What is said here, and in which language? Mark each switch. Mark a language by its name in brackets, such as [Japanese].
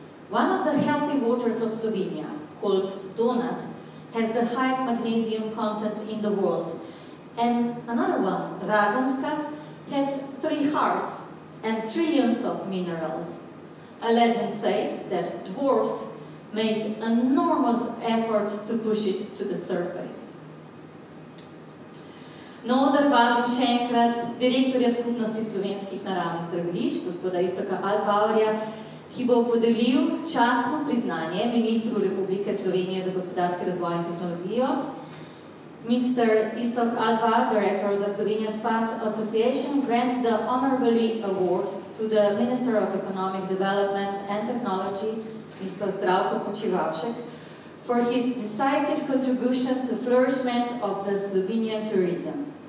[English] One of the healthy waters of Slovenia, called Donut, has the highest magnesium content in the world. And another one, Radenska, has three hearts and trillions of minerals. A legend says that dwarves made enormous effort to push it to the surface. [Slovenian] No, odr vabim še enkrat direktorja Skupnosti slovenskih naravnih zdravilišč, gospoda Iztoka Alpauerja, ki bo podelil častno priznanje ministru Republike Slovenije za gospodarski razvoj in tehnologijo. [English] Mr. Iztok Alba, director of the Slovenia Spas Association, grants the honorably award to the Minister of Economic Development and Technology, Mr. Zdravko Počivavšek, for his decisive contribution to flourishment of the Slovenian tourism.